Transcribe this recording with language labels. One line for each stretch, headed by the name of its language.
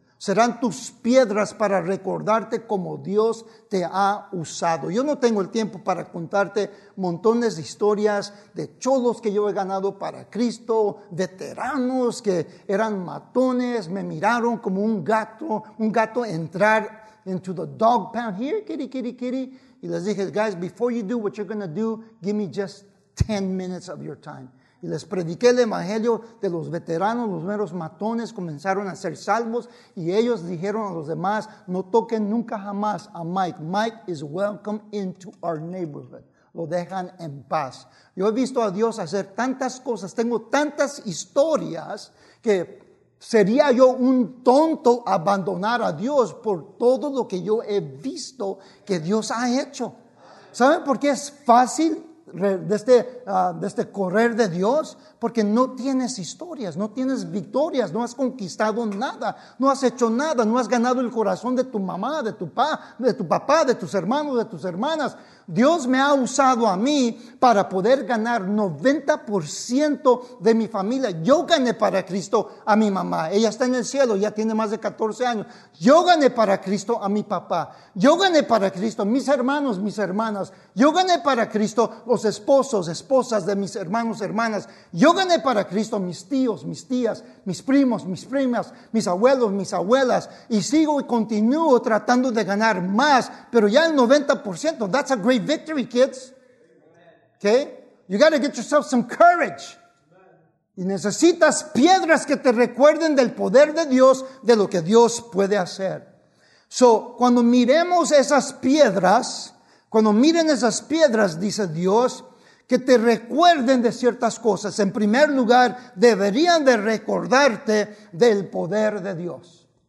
Spanish: Serán tus piedras para recordarte cómo Dios te ha usado. Yo no tengo el tiempo para contarte montones de historias de cholos que yo he ganado para Cristo, veteranos que eran matones, me miraron como un gato entrar
English: into the dog pound. Here, kitty, kitty, kitty.
Spanish: Y les dije:
English: Guys, before you do what you're going to do, give me just 10 minutes of your time.
Spanish: Y les prediqué el evangelio de los veteranos, los meros matones, comenzaron a ser salvos. Y ellos dijeron a los demás: no toquen nunca jamás a Mike. Mike is welcome into our neighborhood. Lo dejan en paz. Yo he visto a Dios hacer tantas cosas, tengo tantas historias, que sería yo un tonto abandonar a Dios por todo lo que yo he visto que Dios ha hecho. ¿Saben por qué es fácil de este correr de Dios? Porque no tienes historias, no tienes victorias, no has conquistado nada, no has hecho nada, no has ganado el corazón de tu mamá, de tu papá, de tus hermanos, de tus hermanas. Dios me ha usado a mí para poder ganar 90% de mi familia. Yo gané para Cristo a mi mamá. Ella está en el cielo, ya tiene más de 14 años. Yo gané para Cristo a mi papá. Yo gané para Cristo a mis hermanos, mis hermanas. Yo gané para Cristo los esposos, esposas de mis hermanos, hermanas. Yo gané para Cristo mis tíos, mis tías, mis primos, mis primas, mis abuelos, mis abuelas. Y sigo y continúo tratando de ganar más. Pero ya el 90%,
English: that's a great victory, kids. Okay? You got to get yourself some courage.
Spanish: Y necesitas piedras que te recuerden del poder de Dios, de lo que Dios puede hacer. So, cuando miremos esas piedras, cuando miren esas piedras, dice Dios, que te recuerden de ciertas cosas. En primer lugar, deberían de recordarte del poder de Dios.